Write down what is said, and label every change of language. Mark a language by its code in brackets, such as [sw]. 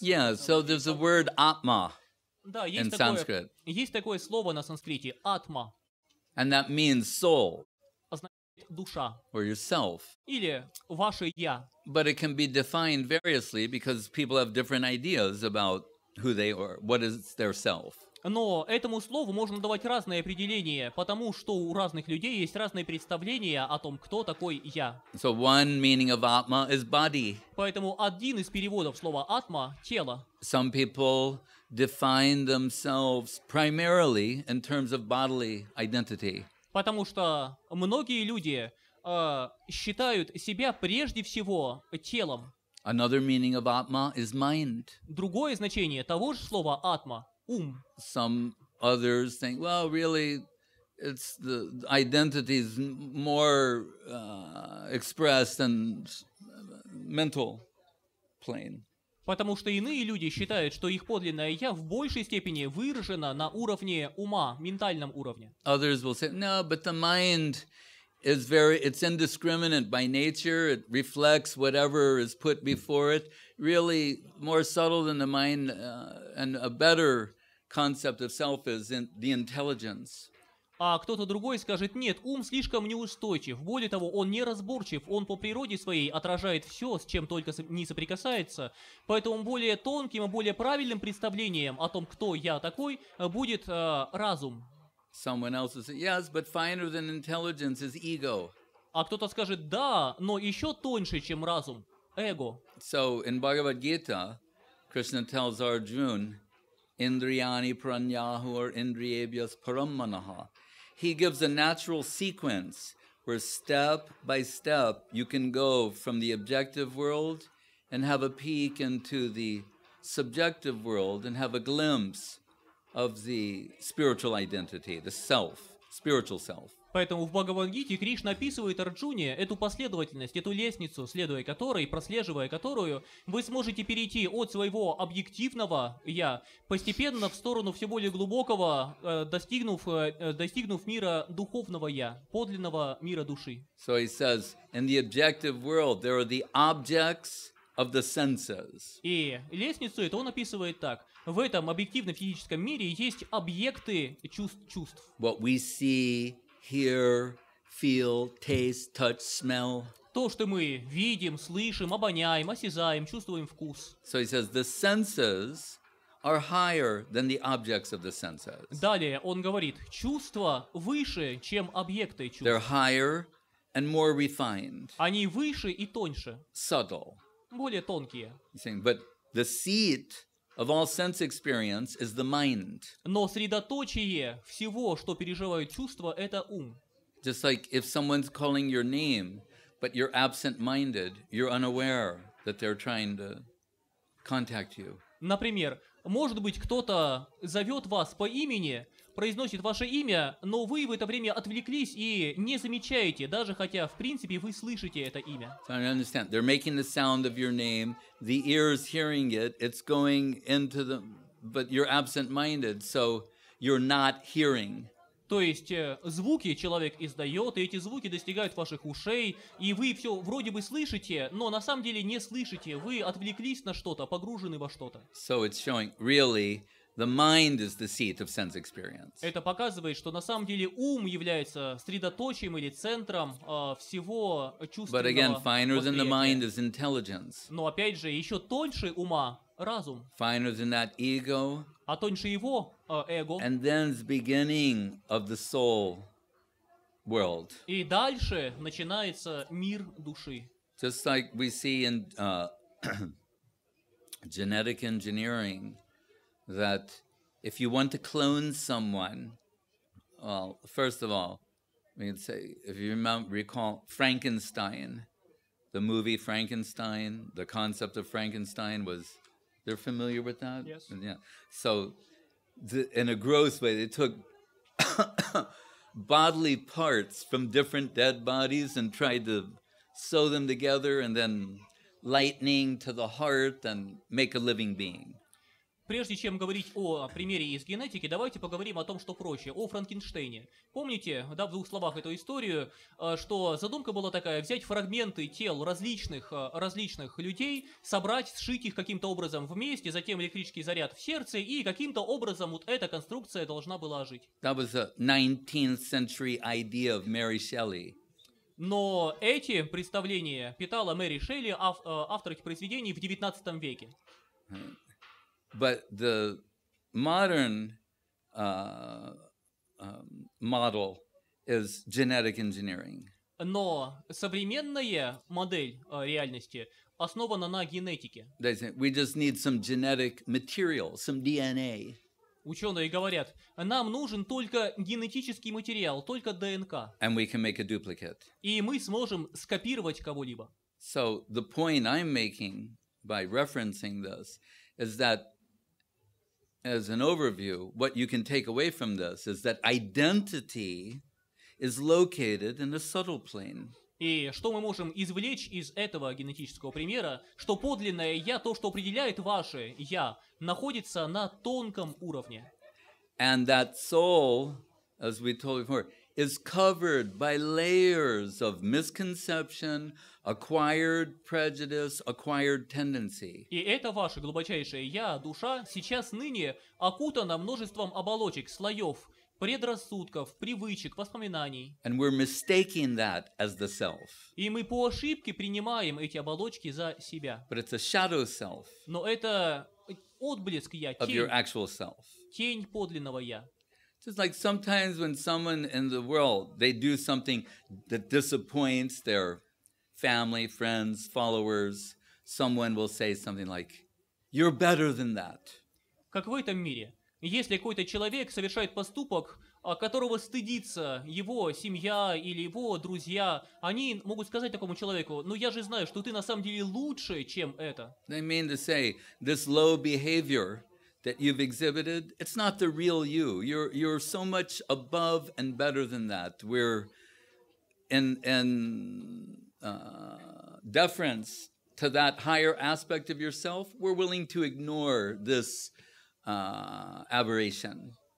[en] Yeah, so there's a word atma in Sanskrit. [ru] Есть такое слово на санскрите атма. [en] And that means soul. [ru] Означает душа. [en] Or yourself. [ru] Или ваше я. [en] But it can be defined variously because people have different ideas about who they are, what is their self. [ru] Но этому слову можно давать разные определения, потому что у разных людей есть разные представления о том, кто такой я. [en] So one meaning of atma is body. [ru] Поэтому один из переводов слова атма — тело. [en] Some people define themselves primarily in terms of bodily identity. [ru] Потому что многие люди считают себя прежде всего телом. [en] Another meaning of atma is mind. [ru] Другое значение того же слова атма — ум. [en] Some others think, well, really, it's the identity is more expressed in mental plane. [ru] Потому что иные люди считают, что их подлинное я в большей степени выражено на уровне ума, ментальном уровне. [en] Others will say, no, but the mind is it's indiscriminate by nature. It reflects whatever is put before it. Really, more subtle than the mind and a better concept of self is in the intelligence. [ru] А кто-то другой скажет, нет, ум слишком неустойчив. Более того, он неразборчив, он по природе своей отражает все, с чем только не соприкасается. Поэтому более тонким и более правильным представлением о том, кто я такой, будет разум. [en] Someone else will say, yes, but finer than intelligence is ego. [ru] А кто-то скажет, да, но еще тоньше, чем разум, эго. [en] So in Bhagavad-gita, Krishna tells Arjuna, [sa] Indriyani pranyahu or indriyebhyas parammanaha. [en] He gives a natural sequence where step by step you can go from the objective world and have a peek into the subjective world and have a glimpse of the spiritual identity, the self, spiritual self. [ru] Поэтому в Бхагавад-гите Кришна описывает Арджуне эту последовательность, эту лестницу, следуя которой, прослеживая которую, вы сможете перейти от своего объективного «я» постепенно в сторону все более глубокого, достигнув мира духовного «я», подлинного мира души. [en] So he says, in the objective world, there are the objects of the senses. [ru] И лестницу это он описывает так. В этом объективном физическом мире есть объекты чувств. [en] What we see, hear, feel, taste, touch, smell. [ru] То, что мы видим, слышим, обоняем, осязаем, чувствуем вкус. [en] So he says, the senses are higher than the objects of the senses. [ru] Далее он говорит, чувства выше, чем объекты чувств. [en] They're higher and more refined. [ru] Они выше и тоньше. [en] Subtle. [ru] Более тонкие. [en] He's saying, but the seat of all sense experience is the mind. [ru] Но средоточие всего, что переживают чувства, это ум. [en] Just like if someone's calling your name, but you're absent-minded, you're unaware that they're trying to contact you. [ru] Например, может быть, кто-то зовет вас по имени, произносит ваше имя, но вы в это время отвлеклись и не замечаете, даже хотя, в принципе, вы слышите это имя. [en] So I understand. They're making the sound of your name. The ear is hearing it. It's going into the... But you're absent-minded, so you're not hearing. [ru] То есть звуки человек издает, и эти звуки достигают ваших ушей, и вы все вроде бы слышите, но на самом деле не слышите. Вы отвлеклись на что-то, погружены во что-то. [en] So it's showing, really... The mind is the seat of sense experience. [ru] Это показывает, что на самом деле ум является средоточием или центром всего чувственного. [en] But again, finer than the mind is intelligence. [ru] Но опять же, еще тоньше ума разум. [en] Finer than that ego. [ru] А тоньше его эго. [en] And then the beginning of the soul world. [ru] И дальше начинается мир души. [en] Just like we see in genetic engineering. That if you want to clone someone, well, first of all, we can say, if you recall Frankenstein, the movie Frankenstein, the concept of Frankenstein was, they're familiar with that? Yes. Yeah. So in a gross way, they took bodily parts from different dead bodies and tried to sew them together and then lightning to the heart and make a living being. [ru] Прежде чем говорить о примере из генетики, давайте поговорим о том, что проще, о Франкенштейне. Помните, да, в двух словах эту историю, что задумка была такая, взять фрагменты тел различных людей, собрать, сшить их каким-то образом вместе, затем электрический заряд в сердце, и каким-то образом вот эта конструкция должна была жить. [en] That was a 19th century idea of Mary Shelley. [ru] Но эти представления питала Мэри Шелли, автор этих произведений, в 19 веке. [en] But the modern model is genetic engineering. [ru] Но современная модель реальности основана на генетике. [en] They say, we just need some genetic material, some DNA. [ru] Ученые говорят, нам нужен только генетический материал, только ДНК. [en] And we can make a duplicate. [ru] И мы сможем скопировать кого-либо. [en] So the point I'm making by referencing this is that as an overview, what you can take away from this is that identity is located in a subtle plane. [ru] И что мы можем извлечь из этого генетического примера, что подлинное «я», то, что определяет ваше «я», находится на тонком уровне. [en] And that soul, as we told before, is covered by layers of misconception, acquired prejudice, acquired tendency. [ru] И это ваше глубочайшее «я», душа, сейчас ныне окутано множеством оболочек, слоев, предрассудков, привычек, воспоминаний. [en] And we're mistaking that as the self. [ru] И мы по ошибке принимаем эти оболочки за себя. [en] But it's a shadow self. [ru] Но это отблеск «я», [en] of your actual self. [ru] Тень подлинного «я». [en] Just like sometimes when someone in the world, they do something that disappoints their family, friends, followers, someone will say something like, you're better than that. [ru] Как в этом мире, если какой-то человек совершает поступок, которого стыдится его семья или его друзья, они могут сказать такому человеку, ну я же знаю, что ты на самом деле лучше, чем это. [en] They mean to say, this low behavior that you've exhibited, it's not the real you. You're so much above and better than that. We're in deference to that higher aspect of yourself, we're willing to ignore this aberration.